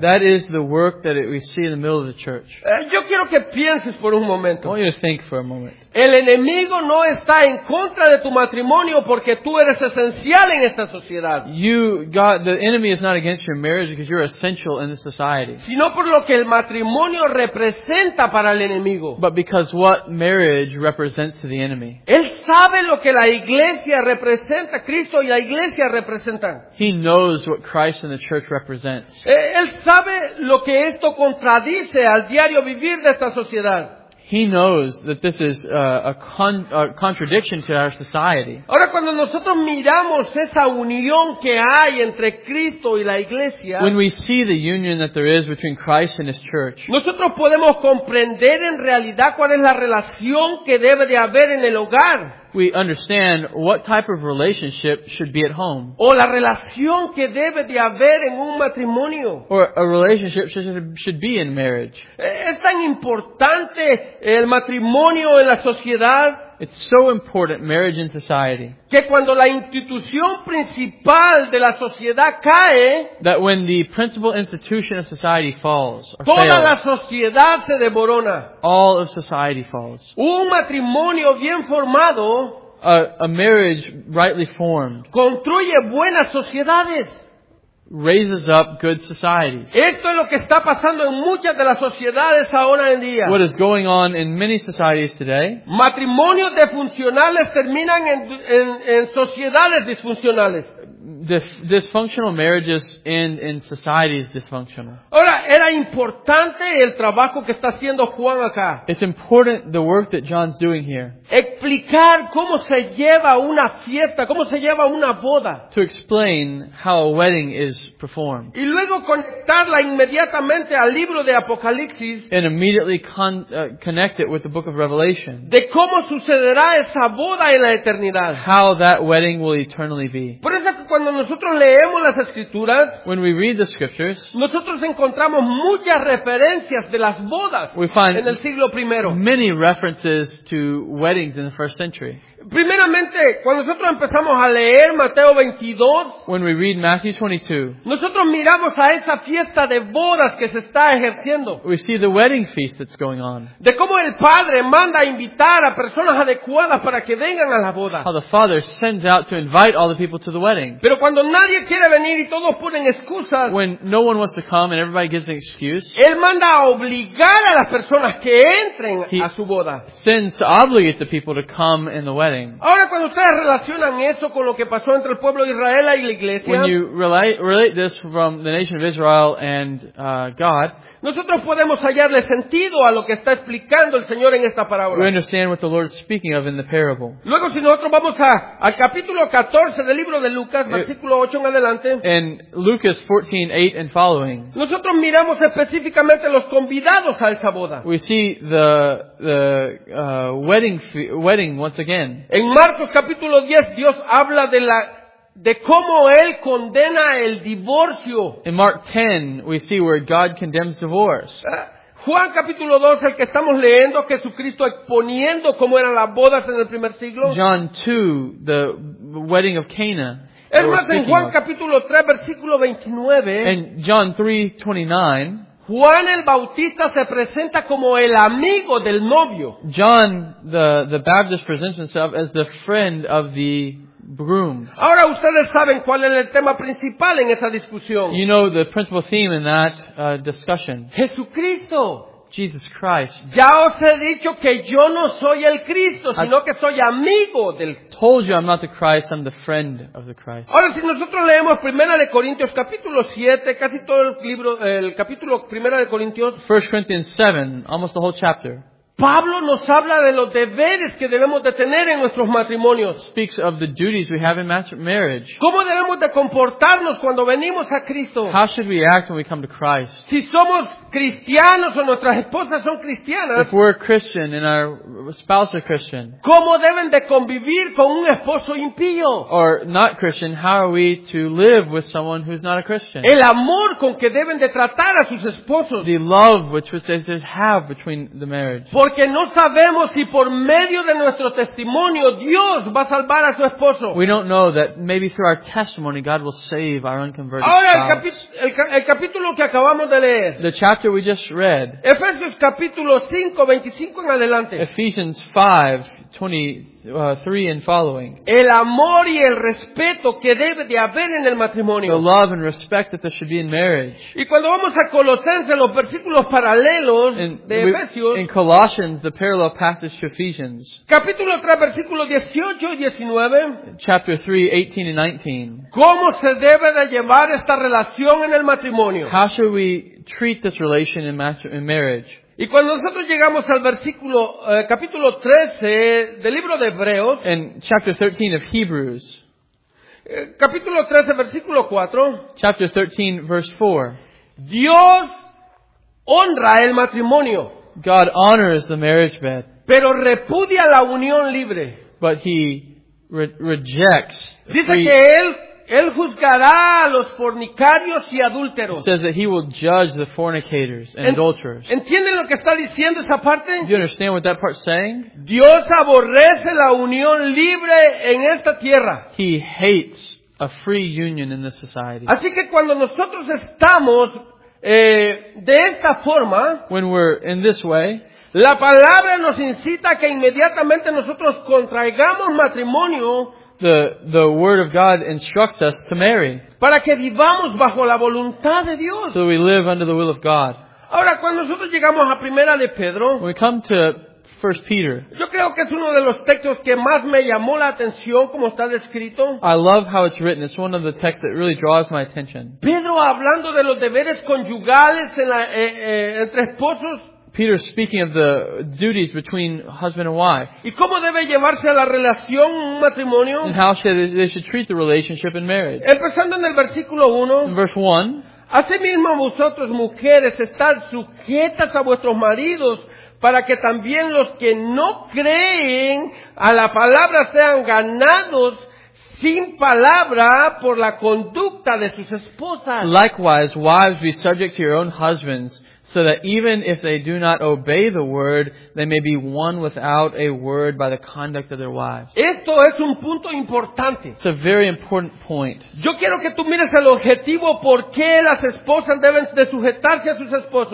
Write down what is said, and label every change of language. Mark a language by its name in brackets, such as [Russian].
[English] That is the work that we see in the middle of the church. [Spanish] Yo quiero que pienses por un momento. [English] I want you to think for a moment. [Spanish] El enemigo no está en contra de tu matrimonio porque tú eres esencial en esta sociedad. [English] The enemy is not against your marriage because you're essential in this society. [Spanish] Sino por lo que el matrimonio representa para el enemigo. [English] But because what marriage represents to the enemy. [Spanish] Él sabe lo que la iglesia representa, Cristo y la iglesia representan. [English] He knows what Christ and the church represents. [Spanish] Él sabe lo que esto contradice al diario vivir de esta sociedad. [English] He knows that this is a contradiction to our society. [Spanish] Ahora cuando nosotros miramos esa unión que hay entre Cristo y la iglesia, [English] when we see the union that there is between Christ and His church, [Spanish] nosotros podemos comprender en realidad cuál es la relación que debe de haber en el hogar. [English] We understand what type of relationship should be at home. [Spanish] O la relación que debe de haber en un matrimonio. [English] Or a relationship should be in marriage. [Spanish] Es tan importante el matrimonio en la sociedad. [English] It's so important, marriage in society. [Spanish] Que cuando la institución principal de la sociedad cae, [English] that when the principal institution of society falls, or [Spanish] toda [English] fails, [Spanish] la sociedad se desmorona. [English] All of society falls. [Spanish] Un matrimonio bien formado, [English] a marriage rightly formed, [Spanish] construye buenas sociedades. [English] Raises up good societies. [Spanish] Esto es lo que está pasando en muchas de las sociedades ahora en día. [English] What is going on in many societies today? [Spanish] Matrimonios disfuncionales terminan en sociedades disfuncionales. [English] Dysfunctional marriages end in societies dysfunctional. [Spanish] Ahora, era importante el trabajo que está haciendo Juan acá. [English] It's important the work that John's doing here. [Spanish] Explicar cómo se lleva una fiesta, cómo se lleva una boda. [English] To explain how a wedding is performed. [Spanish] Y luego conectarla inmediatamente al libro de Apocalipsis. [English] And immediately connect it with the book of Revelation. [Spanish] De cómo sucederá esa boda en la eternidad. [English] How that wedding will eternally be. [Spanish] Por eso que cuando nosotros leemos las escrituras, [English] when we read the scriptures, [Spanish] nosotros encontramos muchas referencias de las bodas en el siglo primero. [English] Many references to weddings in the first century. [Spanish] Primeramente, cuando nosotros empezamos a leer Mateo 22, [English] when we read Matthew 22, [Spanish] nosotros miramos a esa fiesta de bodas que se está ejerciendo. [English] We see the wedding feast that's going on. [Spanish] De cómo el Padre manda a invitar a personas adecuadas para que vengan a la boda. [English] How the Father sends out to invite all the people to the wedding. [Spanish] Pero cuando nadie quiere venir y todos ponen excusas, [English] when no one wants to come and everybody gives an excuse, [Spanish] Él manda a obligar a las personas que entren a su boda. [English] He sends to obligate the people to come in the wedding. nothing. [Spanish] Ahora cuando ustedes relacionan eso con lo que pasó entre el pueblo de Israel y la iglesia, [English] when you relate this from the nation of Israel and God, [Spanish] nosotros podemos hallarle sentido a lo que está explicando el Señor en esta parábola. [English] We understand what the Lord is speaking of in the parable. [Spanish] Luego si nosotros vamos al capítulo 14 del libro de Lucas, versículo 8 en adelante, [English] in Lucas 14, 8 and following, [Spanish] nosotros miramos específicamente los convidados a esa boda. [English] We see the wedding once again. [Spanish] En Marcos capítulo 10 Dios habla de la de cómo él condena el divorcio. [English] In Mark 10 we see where God condemns divorce. [Spanish] Juan capítulo 2 el que estamos leyendo, Jesucristo exponiendo cómo eran las bodas en el primer siglo. [English] John 2 the wedding of Cana. [Spanish] Es más, en Juan capítulo 3 versículo 29, [English] in John 3:29, [Spanish] Juan el Bautista se presenta como el amigo del novio. [English] John the Baptist presents himself as the friend of the groom. [Spanish] Ahora ustedes saben cuál es el tema principal en esa discusión. [English] You know the principal theme in that discussion. [Spanish] Jesucristo. [English] Jesus Christ. [Spanish] Ya os he dicho que yo no soy el Cristo, sino que soy amigo del. [English] Told you I'm not the Christ, I'm the friend of the Christ. [Spanish] Ahora si nosotros leemos Primera de Corintios capítulo 7, casi todo el libro, el capítulo Primera de Corintios. [English] 1 Corinthians 7, almost the whole chapter. [Spanish] Pablo nos habla de los deberes que debemos de tener en nuestros matrimonios. [English] Speaks of the duties we have in marriage. [Spanish] ¿Cómo debemos de comportarnos cuando venimos a Cristo? [English] How should we act when we come to Christ? [Spanish] Si somos cristianos o nuestras esposas son cristianas. [English] If we're Christian and our spouse are Christian. [Spanish] ¿Cómo deben de convivir con un esposo impío? [English] Or not Christian, how are we to live with someone who's not a Christian? [Spanish] El amor con que deben de tratar a sus esposos. [English] The love which they should have between the marriage. [Spanish] Porque no sabemos si por medio de nuestro testimonio Dios va a salvar a su esposo. [English] We don't know that maybe through our testimony God will save our unconverted spouse. [Spanish] Ahora el capítulo que acabamos de leer. [English] The chapter we just read. [Spanish] Efesios capítulo 5, 25 en adelante. [English] Ephesians 5, 23 and following. [Spanish] El amor y el respeto que debe de haber en el matrimonio. [English] The love and respect that there should be in marriage. [Spanish] Y cuando vamos a Colosenses, los versículos paralelos de Efesios. [English] In Colossians, the parallel passage to Ephesians. [Spanish] Capítulo 3, versículos 18 y 19. [English] Chapter 3, 18 and 19. [Spanish] ¿Cómo se debe de llevar esta relación en el matrimonio? [English] How should we treat this relation in marriage? [Spanish] Y cuando nosotros llegamos al versículo capítulo 13 del libro de Hebreos, [English] in chapter 13 of Hebrews, [Spanish] capítulo 13 versículo 4, [English] chapter 13 verse 4, [Spanish] Dios honra el matrimonio, [English] God honors the marriage bed, [Spanish] pero repudia la unión libre, [English] but he rejects. [Spanish] Dice que él juzgará a los fornicarios y adúlteros. [English] He says that he will judge the fornicators and adulterers. [Spanish] ¿Entienden lo que está diciendo esa parte? [English] Do you understand what that part's saying? [Spanish] Dios aborrece la unión libre en esta tierra. [English] He hates a free union in this society. [Spanish] Así que cuando nosotros estamos de esta forma, [English] when we're in this way, [Spanish] la palabra nos incita a que inmediatamente nosotros contraigamos matrimonio. [English] The word of God instructs us to marry. [Spanish] Para que vivamos bajo la voluntad de Dios. [English] So we live under the will of God. [Spanish] Ahora cuando nosotros llegamos a Primera de Pedro, [English] when we come to 1 Peter. [Spanish] Yo creo que es uno de los textos que más me llamó la atención como está descrito. [English] I love how it's written. It's one of the texts that really draws my attention. [Spanish] Pedro hablando de los deberes conyugales en la, entre esposos. [English] Peter speaking of the duties between husband and wife. [Spanish] ¿Y cómo debe llevarse la relación un matrimonio? [English] And how should they should treat the relationship in marriage. [Spanish] Empezando en el versículo 1. [English] In verse 1. [Spanish] Asimismo vosotros mujeres estad sujetas a vuestros maridos para que también los que no creen a la palabra sean ganados sin palabra por la conducta de sus esposas. [English] Likewise, wives, be subject to your own husbands, so that even if they do not obey the word, they may be won without a word by the conduct of their wives. [Spanish] Esto es un punto importante. [English] It's a very important point. [Spanish] Yo quiero que tú mires el objetivo por qué las esposas deben de sujetarse a sus esposos.